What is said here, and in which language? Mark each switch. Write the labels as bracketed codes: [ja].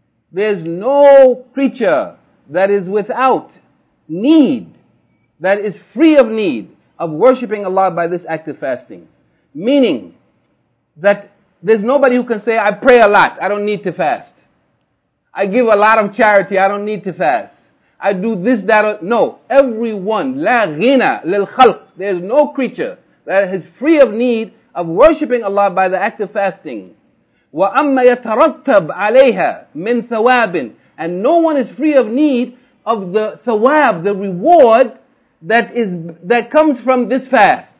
[en] There's no creature that is without need, that is free of need of worshipping Allah by this act of fasting. Meaning that there's nobody who can say, I pray a lot, I don't need to fast. I give a lot of charity, I don't need to fast. I do this, that, or... No, everyone, [ar] لا غنى للخلق. [en] There's no creature that is free of need of worshipping Allah by the act of fasting. [ar] وَأَمَّا يَتَرَتَّبْ عَلَيْهَا مِنْ ثَوَابٍ. [en] And no one is free of need of the thawab, the reward that comes from this fast.